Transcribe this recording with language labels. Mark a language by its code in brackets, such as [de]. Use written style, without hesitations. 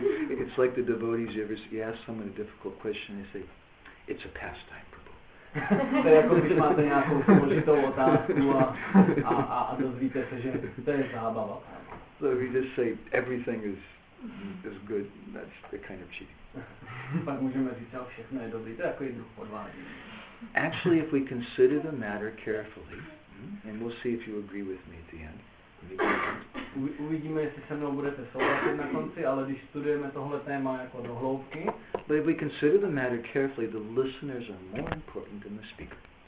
[en] It's like the devotees, you ever see, you ask someone a difficult question, they say, it's a pastime, Prabhu. [cs] To je jako, když máte nějakou složitou otázku a dozvíte se, že to je zábava. [en] So if you just say, everything is good, that's the kind of cheating. [cs] Pak můžeme říct, ale všechno je dobrý, to je jako jednou podvádění. [en] Actually, if we consider the matter carefully, and we'll see if you agree with me at the end. [cs] Uvidíme, jestli se mnou budete souhlasit na konci, ale když studujeme tohle téma jako do hloubky. [en] But if we consider the matter carefully, the listeners are more important than the speaker.